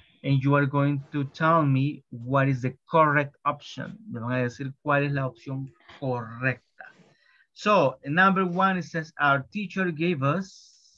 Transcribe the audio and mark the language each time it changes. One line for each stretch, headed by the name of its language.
English: And you are going to tell me what is the correct option.
Spanish: Me van a decir cuál es la opción correcta.
English: So, number one, it says our teacher gave us.